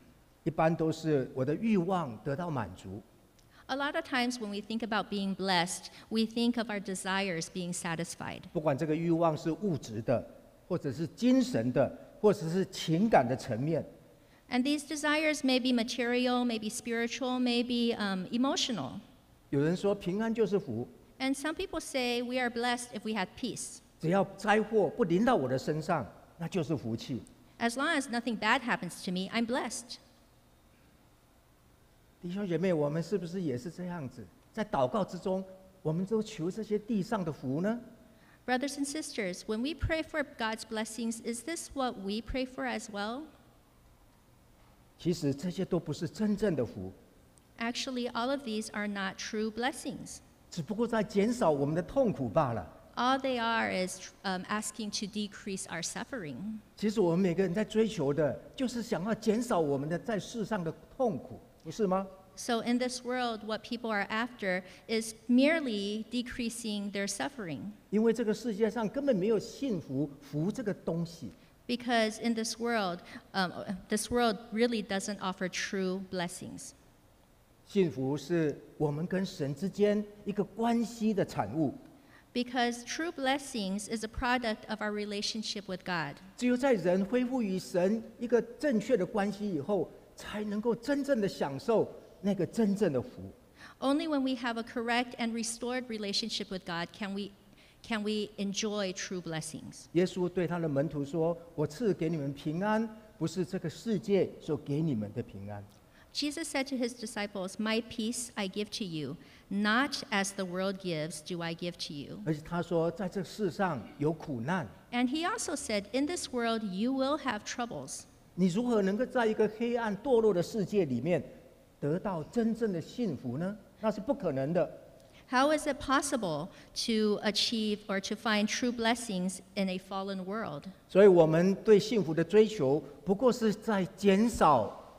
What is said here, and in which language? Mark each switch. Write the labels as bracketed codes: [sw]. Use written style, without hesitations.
[zh] 所以我们人所想的幸福，一般都是我的欲望得到满足。 [en] A lot of times when we think about being blessed, we think of our desires being satisfied. [zh] 不管这个欲望是物质的，或者是精神的，或者是情感的层面。 [en] And these desires may be material, may be spiritual, may be emotional. [zh] 有人说平安就是福。 [en] And some people say we are blessed if we have peace. [zh] 只要灾祸不临到我的身上, 那就是福气。 [en] As long as nothing bad happens to me, I'm blessed. [zh] 弟兄姐妹, 我们是不是也是这样子?在祷告之中, 我们都求这些地上的福呢? [en] Brothers and sisters, when we pray for God's blessings, is this what we pray for as well? [zh] 其实这些都不是真正的福。 [en] Actually, all of these are not true blessings. [zh] 只不过在减少我们的痛苦罢了。 [en] All they are is asking to decrease our suffering. [zh] 其实我们每个人在追求的，就是想要减少我们的在世上的痛苦，不是吗？ [en] So in this world, what people are after is merely decreasing their suffering. [zh] 因为这个世界上根本没有幸福福这个东西。 [en] Because in this world really doesn't offer true blessings. [zh] 幸福是我们跟神之间一个关系的产物。 [en] Because true blessings is a product of our relationship with God. [zh] 只有在人恢复与神一个正确的关系以后，才能够真正的享受那个真正的福。 [en] Only when we have a correct and restored relationship with God can we can we enjoy true blessings? [zh] 耶稣对他的门徒说, 我赐给你们平安, 不是这个世界所给你们的平安。 [en] Jesus said to his disciples, My peace I give to you, not as the world gives do I give to you. [zh] 而且他说在这世上有苦难。 [en] And he also said, In this world you will have troubles. [zh] 你如何能够在一个黑暗堕落的世界里面得到真正的幸福呢? 那是不可能的。 [en] How is it possible to achieve or to find true blessings in a fallen world? [zh] 所以我们对幸福的追求不过是在减少